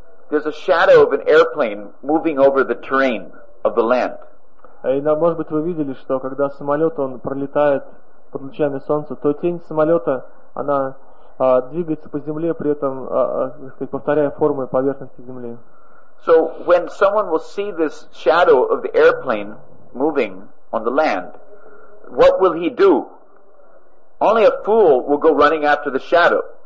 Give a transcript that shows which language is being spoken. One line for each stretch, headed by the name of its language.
English: There's a shadow of an airplane moving over the terrain of the land.
Russian: И, может быть, вы видели, что когда самолет он пролетает под лучами солнца, то тень самолета она двигается по земле, при этом повторяя формы поверхности земли.
English: So when someone will see this shadow of the airplane moving on the land, what will he do? Only a fool will go running after the shadow.